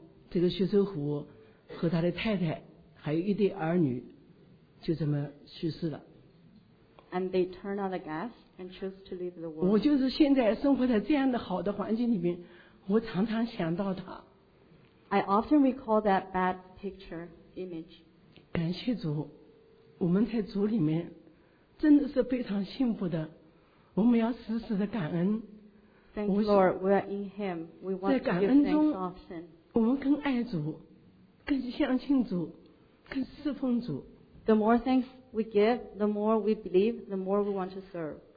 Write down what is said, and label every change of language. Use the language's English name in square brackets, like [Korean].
[Chinese] 这个徐寿虎和他的太太还有一对儿女就这么去世了。 [English] And they turned on the gas and chose to leave the world. [Chinese] 我就是现在生活在这样的好的环境里面，我常常想到他。 [English] I often recall that bad picture image. [Chinese] 感谢主，我们在主里面真的是非常幸福的，我们要时时的感恩。 [English] Thank you, Lord. We are in Him. We want to give thanks often. [Chinese] 我们更爱主，更相信主，更侍奉主。 [English] The more thanks we give, the more we believe, the more we want to serve.